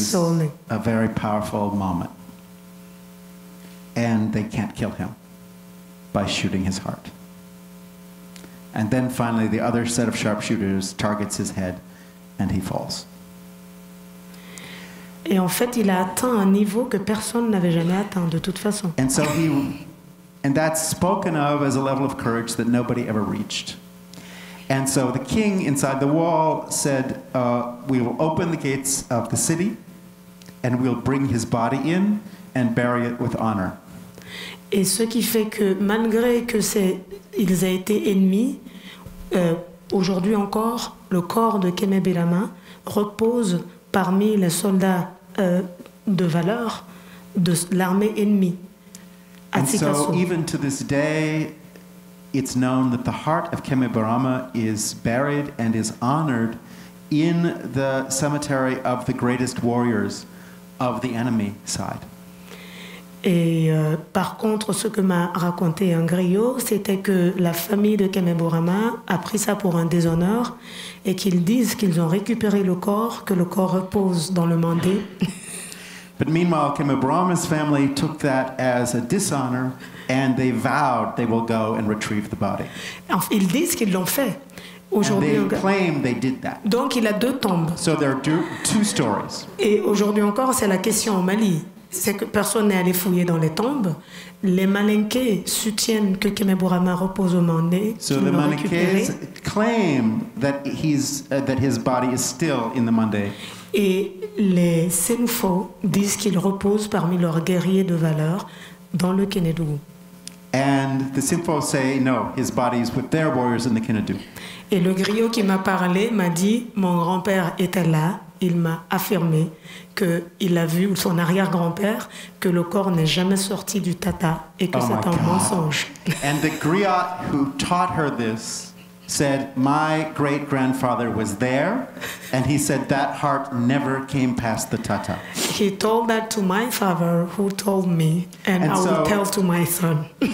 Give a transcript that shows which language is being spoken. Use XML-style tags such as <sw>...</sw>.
<en>Absolutely. A very powerful moment. And they can't kill him by shooting his heart. And then finally, the other set of sharpshooters targets his head, and he falls.</en> <fr>Et en fait, il a atteint un niveau que personne n'avait jamais atteint, de toute façon.</fr> <en>And so he, and that's spoken of as a level of courage that nobody ever reached. And so the king inside the wall said, we will open the gates of the city, and we'll bring his body in and bury it with honor.</en> <fr>Et ce qui fait que malgré que c'est, ils aient été ennemis, aujourd'hui encore, le corps de Kémé Bélama repose parmi les soldats de valeur de l'armée ennemie.</fr> <en>And so even to this day, it's known that the heart of Kémé Bélama is buried and is honored in the cemetery of the greatest warriors of the enemy side.</en> <fr>Et par contre, ce que m'a raconté un griot, c'était que la famille de Kémé Bélama a pris ça pour un déshonneur et qu'ils disent qu'ils ont récupéré le corps, que le corps repose dans le mandé.</fr> <en>But meanwhile, Kémé Bélama's family took that as a dishonor and they vowed they will go and retrieve the body.</en> <fr>Ils disent qu'ils l'ont fait. Aujourd'hui,</fr> <en>and they claim they did that.</en> <fr>Donc il a deux tombes.</fr> <en>So there are two stories.</en> <fr>Et aujourd'hui encore, c'est la question au Mali. C'est que personne n'est allé fouiller dans les tombes. Les Malinkés soutiennent que Kémé Bélama repose au Mandé.</fr> <en>So the Malinkés claim that that his body is still in the Mandé.</en> <fr>Et les Senufo disent qu'il repose parmi leurs guerriers de valeur dans le Kénédou.</fr> <en>And the Senufo say no, his body is with their warriors in the Kénédou.</en> <fr>Et le griot qui m'a parlé m'a dit mon grand-père était là. Il m'a affirmé qu'il a vu, ou son arrière-grand-père, que le corps n'est jamais sorti du tata et que oh c'est un</fr> <en>God.</en> <fr>Mensonge.</fr> <en>And the griot who taught her this said, my great-grandfather was there, and he said that heart never came past the tata. He told that to my father, who told me, and I will tell to my son.</en>